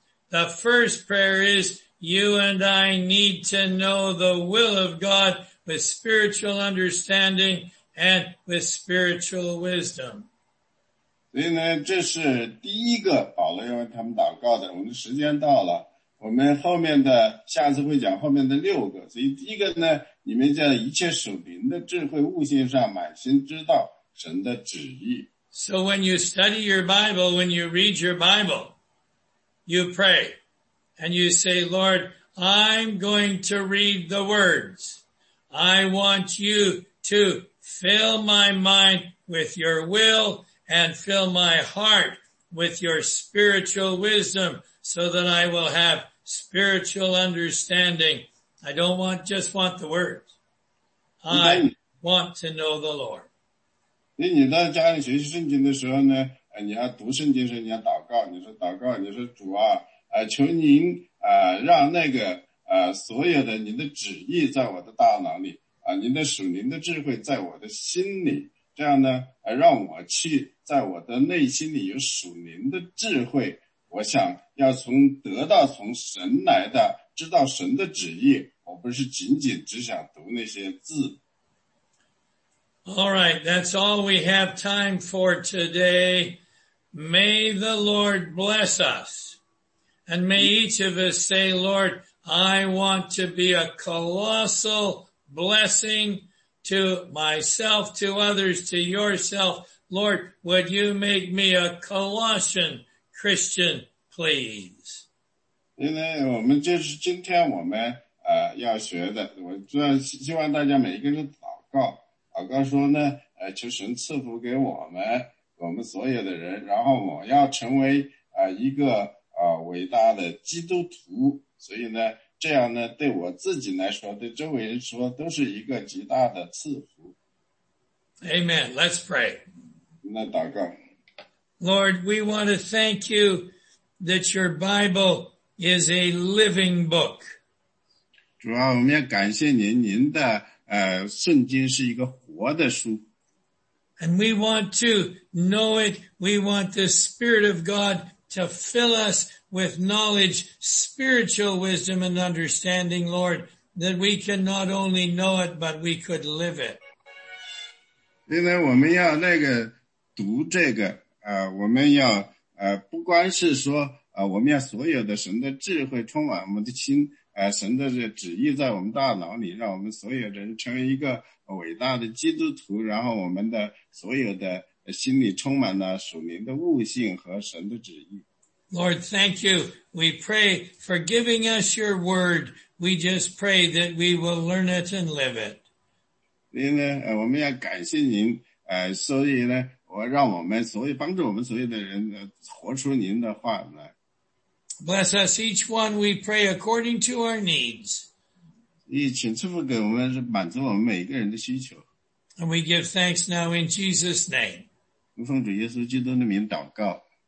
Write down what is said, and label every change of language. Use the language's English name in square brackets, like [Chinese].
[English] The first prayer is,You and I need to know the will of God with spiritual understanding and with spiritual wisdom. [Chinese] 所以呢，这是第一个保罗要为他们祷告的。我们的时间到了，我们后面的下次会讲后面的六个。所以第一个呢，你们叫一切属灵的智慧悟性上满心知道神的旨意。 [English] So when you study your Bible, when you read your Bible, you pray. And you say, Lord, I'm going to read the words. I want you to fill my mind with your will and fill my heart with your spiritual wisdom so that I will have spiritual understanding. I don't want just want the words. I want to know the Lord. [Chinese] 你到家里学习圣经的时候呢，你要读圣经时你要祷告，你说祷告，你说主啊。求您让那个所有的您的旨意在我的大脑里您的属灵的智慧在我的心里，这样呢让我去在我的内心里有属灵的智慧，我想要从得到从神来的知道神的旨意，我不是仅仅只想读那些字。 [English] All right, that's all we have time for today. May the Lord bless us. And may each of us say, Lord, I want to be a colossal blessing to myself, to others, to yourself. Lord, would you make me a Colossian Christian, please? [Chinese] 因为我们就是今天我们要学的，我希望大家每一个人祷告，祷告说呢，求神赐福给我们，我们所有的人，然后我要成为一个伟大的基督徒，所以呢，这样呢，对我自己来说，对周围人说，都是一个极大的赐福。 [English] Amen. Let's pray. [Chinese] 那祷告。 [English] Lord, we want to thank you that your Bible is a living book. [Chinese] 主啊，我们要感谢您，您的圣经是一个活的书。 [English] And we want to know it. We want the Spirit of God to fill us with knowledge, spiritual wisdom and understanding, Lord, that we can not only know it, but we could live it. [Chinese] 因为我们要那个读这个我们要不光是说我们要所有的神的智慧充满我们的心神的这旨意在我们大脑里，让我们所有人成为一个伟大的基督徒，然后我们的所有的心里充满了属灵的悟性和神的旨意。 [English] Lord, thank you. We pray for giving us your word. We just pray that we will learn it and live it. [Chinese] 所以呢，我们要感谢您，所以呢，我让我们所有帮助我们所有的人活出您的话来。 [English] Bless us each one, we pray, according to our needs. [Chinese] 请赐福给我们，满足我们每一个人的需求。 [English] And we give thanks now in Jesus' name. [Chinese] 奉主耶稣基督的名祷告。